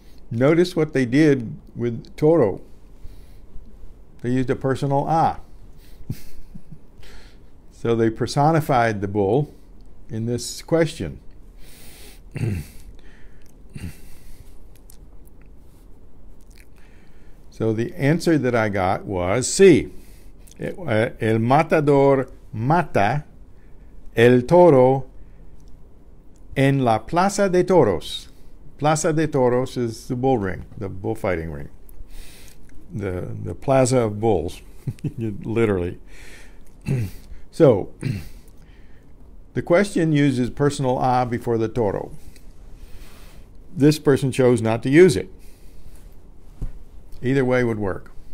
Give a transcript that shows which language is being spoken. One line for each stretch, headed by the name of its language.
English: Notice what they did with toro. They used a personal ah. So they personified the bull in this question. So the answer that I got was C.
Spanish: El matador mata el toro en la Plaza de Toros.
English: Plaza de Toros is the bull ring, the bullfighting ring. The Plaza of Bulls, literally. So, the question uses personal ah before the toro. This person chose not to use it. Either way would work.